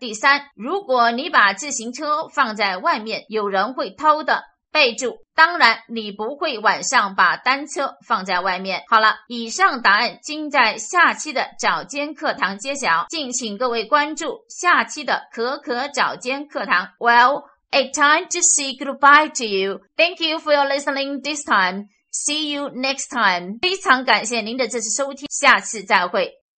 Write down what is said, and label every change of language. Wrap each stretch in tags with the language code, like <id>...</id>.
<zh>第三，如果你把自行车放在外面，有人会偷的。备注，当然你不会晚上把单车放在外面。好了，以上答案均在下期的早间课堂揭晓，敬请各位关注下期的可可早间课堂。</zh> <en>Well, it's time to say goodbye to you. Thank you for your listening this time. See you next time.</en> <zh>非常感谢您的这次收听，下次再会。</zh>